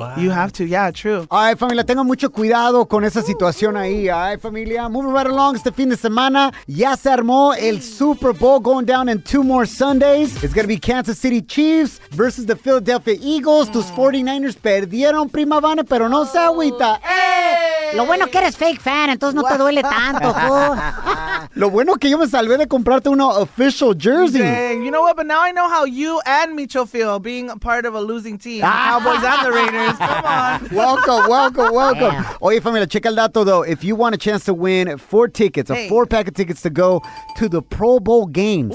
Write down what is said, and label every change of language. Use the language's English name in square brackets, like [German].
[English] Wow. You have to. Yeah, true. All right, familia. Tenga mucho cuidado con esa situación ahí. All right, familia. Moving right along. It's the fin de semana. Ya se armó el Super Bowl going down in two more Sundays. It's going to be Kansas City Chiefs versus the Philadelphia Eagles. [Spanish] Tus 49ers perdieron, Prima Vane, pero no se agüita. Lo bueno que eres fake fan, entonces no te duele tanto. Lo bueno que yo me salvé de comprarte una official jersey. [English] Dang, you know what? But now I know how you and Micho feel being a part of a losing team. Cowboys and the Raiders. Come on. Welcome, welcome, welcome. Damn. Oye, familia, check el dato, though. If you want a chance to win four tickets, a four-pack of tickets to go to the Pro Bowl games.